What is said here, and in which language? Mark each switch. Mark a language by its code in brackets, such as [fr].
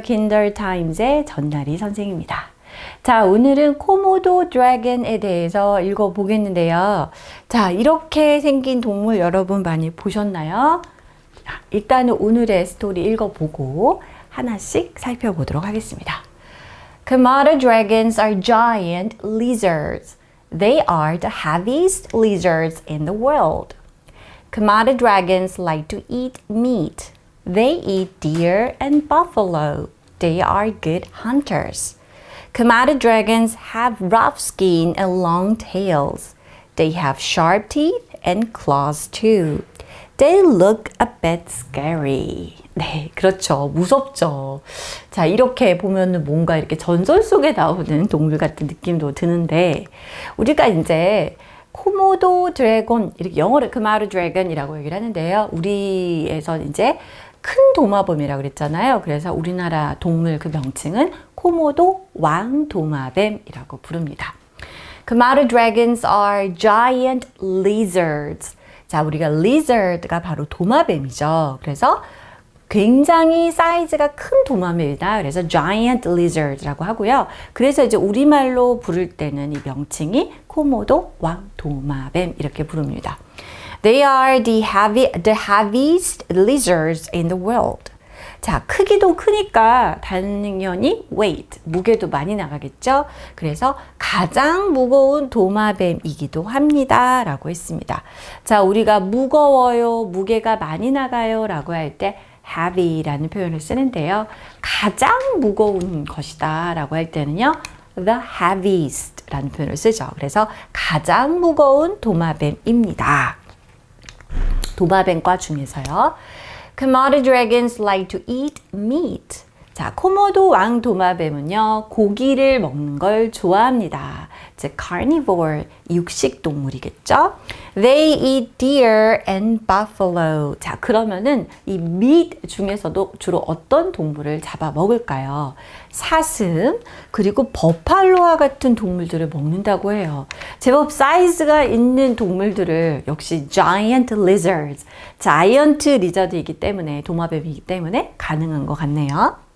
[ko] Kindle Times의 전나리 선생입니다. 자, 오늘은 코모도 드래곤에 대해서 읽어보겠는데요. 자, 이렇게 생긴 동물 여러분 많이 보셨나요? 자, 일단은 오늘의 스토리 읽어보고 하나씩 살펴보도록 하겠습니다. [en] Komodo dragons are giant lizards. They are the heaviest lizards in the world. Komodo dragons like to eat meat. They eat deer and buffalo. They are good hunters. Komodo dragons have rough skin and long tails. They have sharp teeth and claws too. They look a bit scary. [ko] 네, 그렇죠. 무섭죠. 자, 이렇게 보면 뭔가 이렇게 전설 속에 나오는 동물 같은 느낌도 드는데 우리가 이제 코모도 드래곤, 이렇게 영어로 Komodo dragon이라고 얘기를 하는데요. 우리에서 이제 큰 도마뱀이라고 그랬잖아요. 그래서 우리나라 동물 그 명칭은 코모도 왕 도마뱀이라고 부릅니다. [en] Komodo dragons are giant lizards. [ko] 자, 우리가 lizard가 바로 도마뱀이죠. 그래서 굉장히 사이즈가 큰 도마뱀이다. 그래서 giant lizard라고 하고요. 그래서 이제 우리말로 부를 때는 이 명칭이 코모도 왕 도마뱀 이렇게 부릅니다. [en] They are the heaviest lizards in the world. [ko] 자, 크기도 크니까 당연히 weight, 무게도 많이 나가겠죠. 그래서 가장 무거운 도마뱀이기도 합니다. 라고 했습니다. 자, 우리가 무거워요, 무게가 많이 나가요 라고 할 때 heavy라는 표현을 쓰는데요. 가장 무거운 것이다 라고 할 때는요. the heaviest라는 표현을 쓰죠. 그래서 가장 무거운 도마뱀입니다. 도마뱀과 중에서요. [en] Komodo dragons like to eat meat. [ko] 자, 코모도 왕 도마뱀은요. 고기를 먹는 걸 좋아합니다. 즉, carnivore, 육식 동물이겠죠. [en] They eat deer and buffalo. [ko] 자, 그러면은 이 meat 중에서도 주로 어떤 동물을 잡아 먹을까요? 사슴, 그리고 버팔로와 같은 동물들을 먹는다고 해요. 제법 사이즈가 있는 동물들을 역시 giant lizards, giant lizard이기 때문에, 도마뱀이기 때문에 가능한 것 같네요.